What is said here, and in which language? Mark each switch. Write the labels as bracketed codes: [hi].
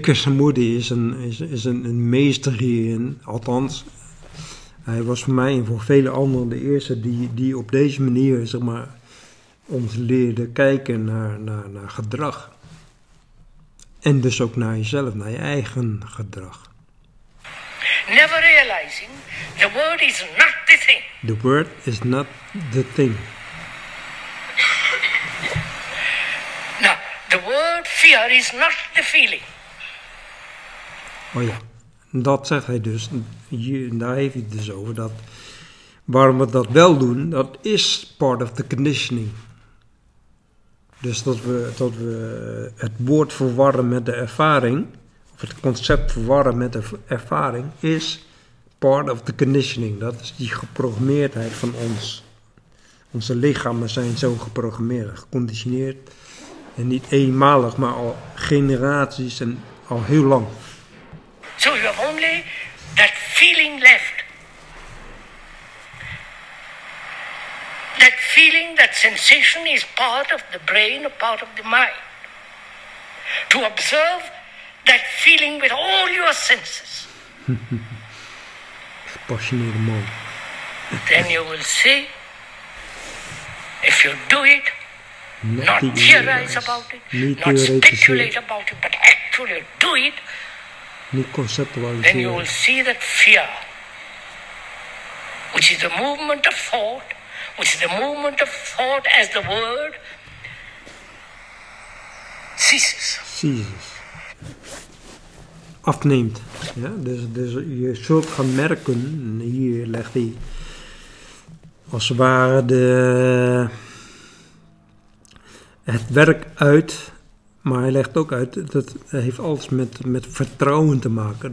[nl] Krishnamurti is een meester hierin, althans. Hij was voor mij en voor vele anderen de eerste die op deze manier, zeg maar, ons leerde kijken naar gedrag. En dus ook naar jezelf, naar je eigen gedrag. [en] Never realizing the word is not the thing. The word is not the thing. Now, the word fear is not the feeling. [nl] Oh ja. Dat zegt hij dus, daar heeft hij het dus over, dat waarom we dat wel doen, dat is [en] part of the conditioning. [nl] Dus dat we het woord verwarren met de ervaring, of het concept verwarren met de ervaring, is [en] part of the conditioning. [nl] Dat is die geprogrammeerdheid van ons. Onze lichamen zijn zo geprogrammeerd, geconditioneerd. En niet eenmalig, maar al generaties en al heel lang. [en] So you have only that feeling left. That feeling, that sensation is part of the brain, a part of the mind. To observe that feeling with all your senses. Passionate mind. Then you will see, if you do it, not theorize about it, not speculate about it, but actually do it, then you will see that fear, which is the movement of thought, which is the movement of thought as the word, ceases. [nl] Afneemt. Ja, dus je zult gaan merken, hier legt hij als het ware het werk uit. Maar hij legt ook uit, dat heeft alles met vertrouwen te maken.